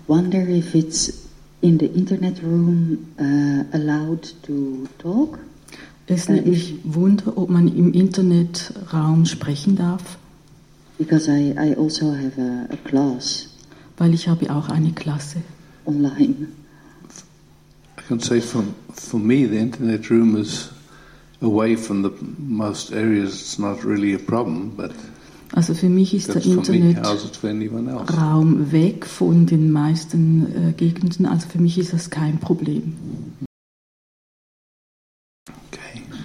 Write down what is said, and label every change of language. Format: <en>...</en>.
<en>If it's in the internet room allowed to talk?</en> <de>Es nimmt mich wunder, ob man im Internetraum sprechen darf.</de> <en>Because I also have a class.</en> <de>Weil ich habe auch eine Klasse.</de> <en>Online. I can say for me the internet room is away from the most areas. It's not really a problem, but.</en> <de>Also für mich ist der Internetraum weg von den meisten Gegenden. Also für mich ist das kein Problem. Okay.</de>